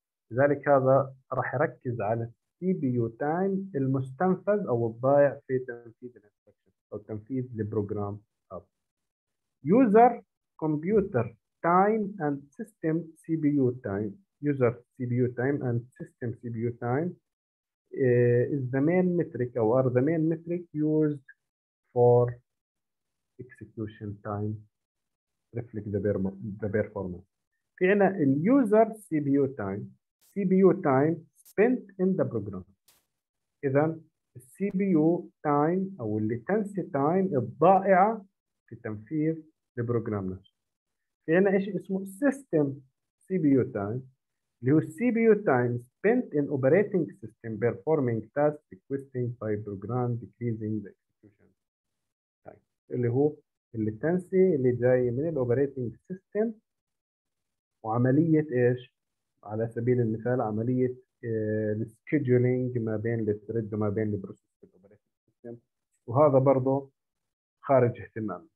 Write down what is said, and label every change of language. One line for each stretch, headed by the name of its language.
Arabic: لذلك هذا راح يركز على CPU time المستنفذ أو الضايع في تنفيذ الانستركشن أو تنفيذ البروجرام.
English: User computer time and system CPU time. User CPU time and system CPU time is the main metric or are the main metric used for execution time reflect the performance.
Arabic: في عنا ال user CPU time.
English: CPU time spent in the program.
Arabic: إذا CPU time أو latency time الضائعة في تنفيذ البروجرام نفسه. في عنا إيش اسمه
English: system CPU time
Arabic: اللي هو
English: CPU time spent in operating system performing tasks requesting by program decreasing the execution time.
Arabic: اللي هو latency اللي جاي من ال operating system وعملية إيش على سبيل المثال عملية السكيدولينج ما بين الثريد وما بين البروسيس في الاوبريتنج سيستم، وهذا برضه خارج اهتمام.